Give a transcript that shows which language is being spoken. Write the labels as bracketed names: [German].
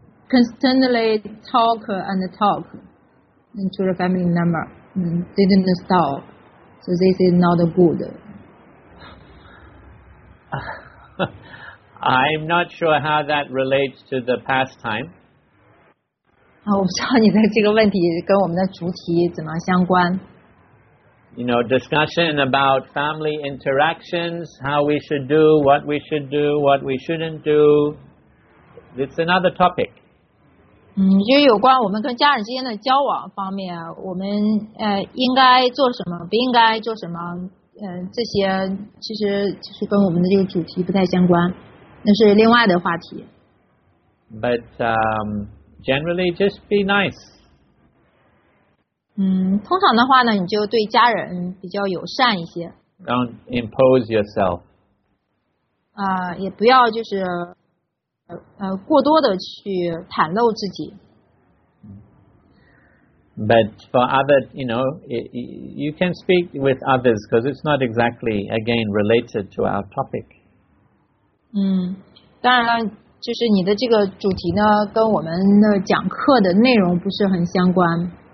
[English] Constantly talk and talk to the family member, didn't stop. So this is not good. I'm not sure how that relates to the pastime. [Chinese] 我不知道你的这个问题跟我们的主题怎么相关。 [English] You know, discussion about family interactions, how we should do, what we should do, what we shouldn't do. It's another topic. [Chinese] 就有关我们跟家人之间的交往方面，我们应该做什么，不应该做什么，这些其实跟我们的这个主题不太相关，那是另外的话题。 [English] But, generally, just be nice. [Chinese] 通常的话呢，你就对家人比较友善一些。 [English] Don't impose yourself. [Chinese] 也不要就是过多的去袒露自己。 [English] But for other, you know, you can speak with others because it's not exactly, again, related to our topic. [Chinese] 当然了。就是你的这个主题呢，跟我们的讲课的内容不是很相关。